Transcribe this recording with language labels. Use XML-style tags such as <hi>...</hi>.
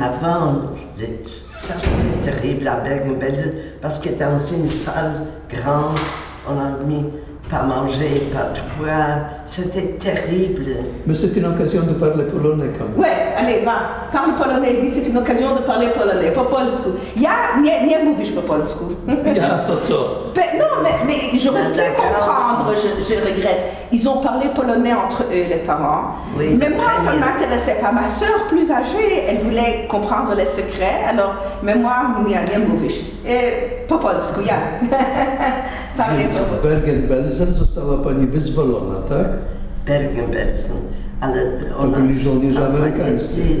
<fr>Avant, ça c'était terrible à Bergen-Belsen parce que tu as aussi une salle grande, on a mis. Pas manger, pas de boire, c'était terrible. Mais c'est une occasion de parler polonais quand même. Ouais, allez, va, parle polonais, dis, c'est une occasion de parler polonais,</fr> <pl>po polsku. Ja nie, nie mówisz po polsku. Ja, to co?</pl> <fr>Non, mais j'aurais pu comprendre, je regrette. Ils ont parlé polonais entre eux, les parents. Oui, mais moi, ça ne m'intéressait pas. Ma sœur plus âgée, elle voulait comprendre les secrets, alors, mais moi,</fr> <pl>nie, nie mówisz.</pl> <fr>Et</fr> <pl>po polsku, ja. Więc Bergen-Belsen została pani wyzwolona, tak? Bergen-Belsen, ale ona... To byli żołnierze amerykańscy.</pl>